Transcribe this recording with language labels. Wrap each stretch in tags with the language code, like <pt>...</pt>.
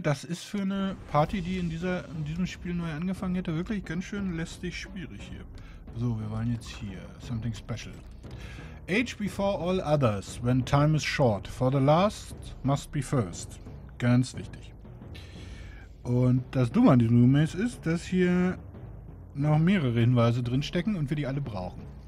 <de>Das ist für eine Party, die in diesem Spiel neu angefangen hätte, wirklich ganz schön lästig schwierig hier. So, wir wollen jetzt hier.</de> <en>Something special. Age before all others, when time is short. For the last must be first.</en> <de>Ganz wichtig. Und das Dumme an diesen Roommates ist, dass hier noch mehrere Hinweise drinstecken und wir die alle brauchen.</de>